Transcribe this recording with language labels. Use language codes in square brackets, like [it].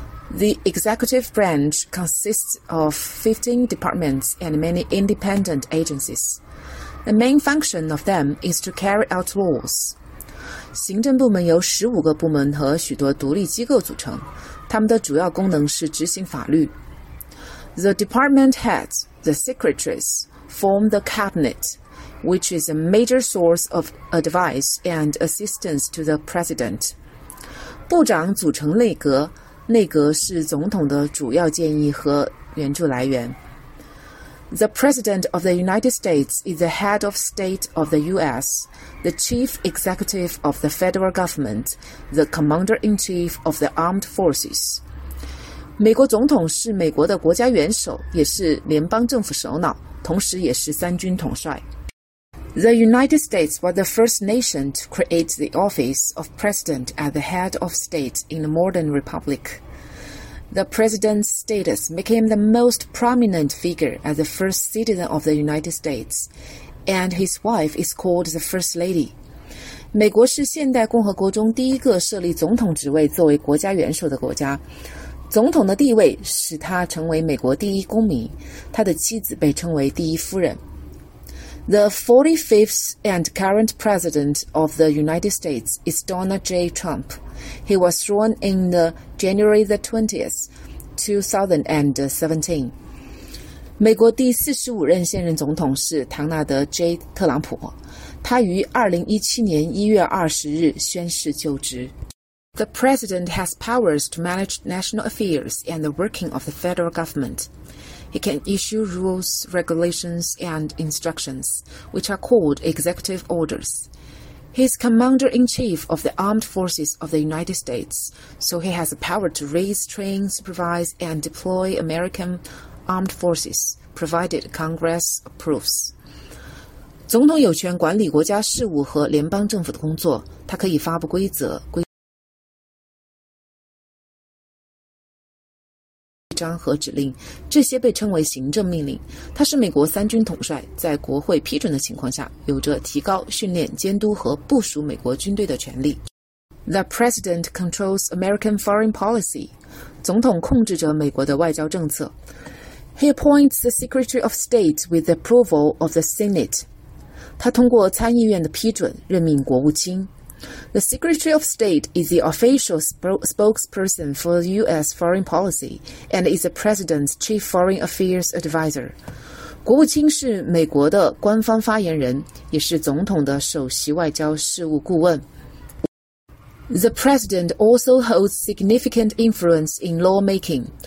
[en] The executive branch consists of 15 departments and many independent agencies. The main function of them is to carry out laws. [zh] 行政部门由15个部门和许多独立机构组成，他们的主要功能是执行法律。 [en] The department heads, the secretaries, form the cabinet, which is a major source of advice and assistance to the president. [zh] 部长组成内阁，内阁是总统的主要建议和援助来源。 [en] The President of the United States is the head of state of the U.S., the chief executive of the federal government, the commander-in-chief of the armed forces. [zh] 美国总统是美国的国家元首，也是联邦政府首脑，同时也是三军统帅。 [en] The United States was the first nation to create the office of president at the head of state in the modern republic. The president's status makes him the most prominent figure as the first citizen of the United States, and his wife is called the first lady. [zh] 美国是现代共和国中第一个设立总统职位作为国家元首的国家。总统的地位使他成为美国第一公民，他的妻子被称为第一夫人。 [en] The 45th and current president of the United States is Donald J. Trump. He was sworn in the January the 20th, 2017. [zh] 美国第45任现任总统是唐纳德 J. 特朗普，他于2017年1月20日宣誓就职。 [en] The president has powers to manage national affairs and the working of the federal government. He can issue rules, regulations, and instructions, which are called executive orders. He is commander-in-chief of the armed forces of the United States, so he has the power to raise, train, supervise, and deploy American armed forces, provided Congress approves. [zh] 总统有权管理国家事务和联邦政府的工作，他可以发布规则、规章和指令，这些被称为行政命令。他是美国三军统帅，在国会批准的情况下，有着提高、训练、监督和部署美国军队的权利。 [en] The president controls American foreign policy. [zh] 总统控制着美国的外交政策。 [en] He appoints the Secretary of State with the approval of the Senate. [zh] 他通过参议院的批准任命国务卿。 [en] The Secretary of State is the official spokesperson for U.S. foreign policy and is the President's chief foreign affairs advisor. [zh] 国务卿是美国的官方发言人，也是总统的首席外交事务顾问。 [en] The President also holds significant influence in lawmaking.